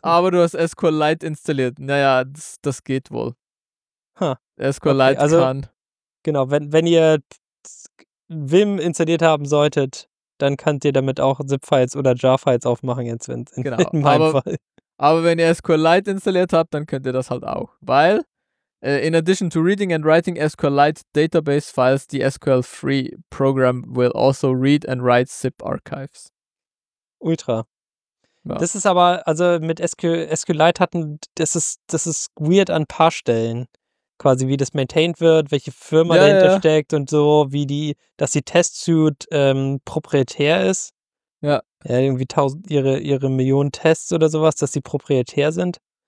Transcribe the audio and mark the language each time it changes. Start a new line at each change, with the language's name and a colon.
German: Aber du hast SQLite installiert. Naja, das geht wohl. SQLite okay, also, kann. Genau, wenn ihr Vim installiert haben solltet, dann könnt ihr damit auch Zip-Files oder Jar-Files aufmachen jetzt, in meinem Fall. Aber wenn ihr SQLite installiert habt, dann könnt ihr das halt auch.
English: Weil, in addition to reading and writing SQLite database files, the SQL-free program will also read and write Zip archives.
German: Ultra. Ja. Das ist aber, also mit SQLite hatten, das ist weird an ein paar Stellen. Quasi wie das maintained wird, welche Firma dahinter steckt und so, wie die, dass die Testsuite proprietär ist. Ja. Ja, irgendwie tausend, ihre Millionen Tests oder sowas, dass sie proprietär sind.